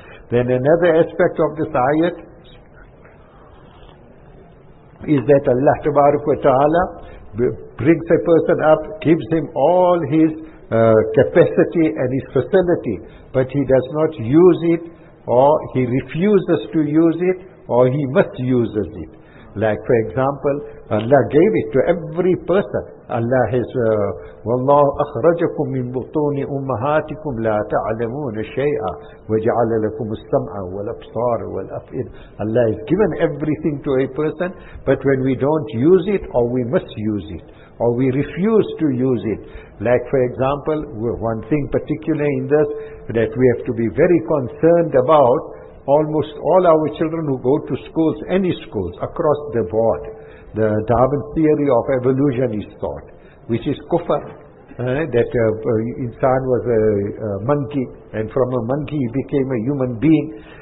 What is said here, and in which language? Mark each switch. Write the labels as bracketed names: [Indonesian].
[English] Then another aspect of this ayat is that Allah tabaraka wa ta'ala brings a person up, gives him all his capacity and his facility, but he does not use it, or he refuses to use it, or he misuses it. Like for example, Allah gave it to every person. Allah has [Arabic] وَاللَّهُ أَخْرَجَكُمْ مِنْ بُطُونِ أُمَّهَاتِكُمْ لَا تَعْلَمُونَ شَيْئًا وَجَعَلَ لَكُمُ السَّمْعَ وَالْأَبْصَارَ وَالْأَفْئِدَ. [English] Allah has given everything to a person, but when we don't use it, or we misuse it, or we refuse to use it. Like for example, one thing particular in this that we have to be very concerned about, almost all our children who go to schools, any schools across the board, the Darwin theory of evolution is taught, which is kufr, that insan was a monkey, and from a monkey he became a human being.